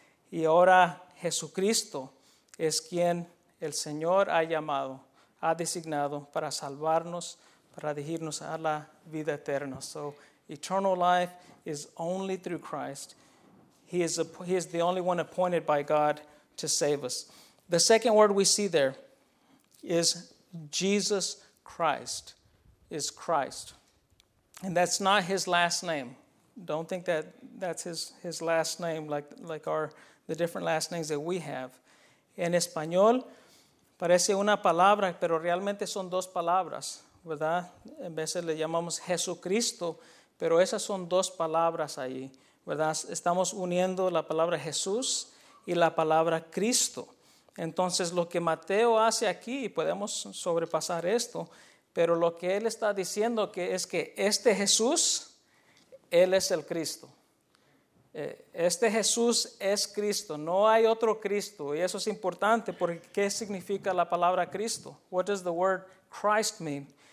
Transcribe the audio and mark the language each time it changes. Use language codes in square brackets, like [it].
[es] Y ahora Jesucristo es quien el Señor ha llamado, ha designado para salvarnos, para dirigirnos a la vida eterna. [en] So eternal life is only through Christ. He is the only one appointed by God to save us. The second word we see there is Jesus Christ, is Christ. And that's not his last name. Don't think that that's his last name like our the different last names that we have. [es] En español parece una palabra, pero realmente son dos palabras, ¿verdad? En veces le llamamos Jesucristo, pero esas son dos palabras ahí, ¿verdad? Estamos uniendo la palabra Jesús y la palabra Cristo. Entonces, lo que Mateo hace aquí, podemos sobrepasar esto, pero lo que él está diciendo que es que este Jesús, él es el Cristo. Este Jesús es Cristo, no hay otro Cristo. Y eso es importante, porque ¿qué significa la palabra Cristo? [en] What does the word Christ mean?